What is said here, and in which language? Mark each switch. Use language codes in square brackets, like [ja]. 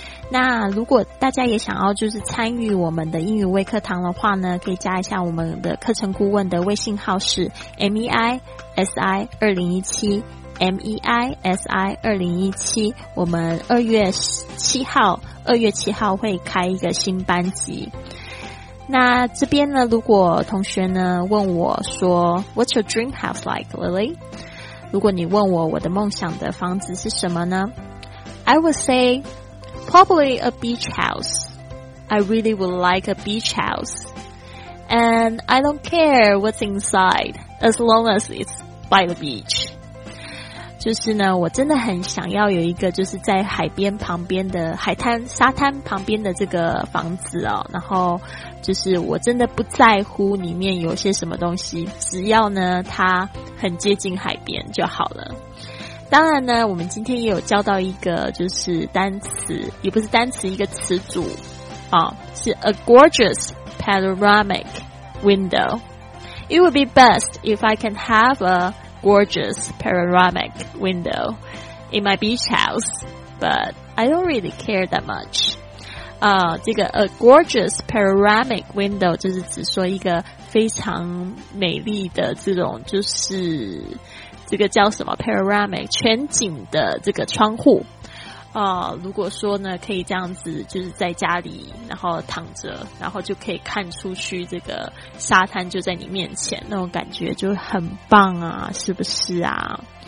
[zh] 那如果大家也想要就是参与我们的英语微课堂的话呢，可以加一下我们的课程顾问的微信号是 MEISI2017。 MEISI2017, 我们2月7号会开一个新班级。那这边呢，如果同学呢问我说 [en] What's your dream house like, [zh] Lily? 如果你问我我的梦想的房子是什么呢？ [en] I would say, probably a beach house. I really would like a beach house. And I don't care what's inside, as long as it's by the beach. [zh] 就是呢，我真的很想要有一个就是在海边旁边的海滩沙滩旁边的这个房子哦，然后就是我真的不在乎里面有些什么东西，只要呢它很接近海边就好了。当然呢，我们今天也有教到一个就是单词，也不是单词，一个词组啊，是 a gorgeous panoramic window. [en] It would be best if I can have a gorgeous panoramic window in my beach house, but I don't really care that much. [zh] 这个 a gorgeous panoramic window 就是指说一个非常美丽的这种，就是这个叫什么 panoramic 全景的这个窗户。如果说呢，可以这样子，就是在家里，然后躺着，然后就可以看出去这个沙滩就在你面前，那种感觉就很棒啊，是不是啊？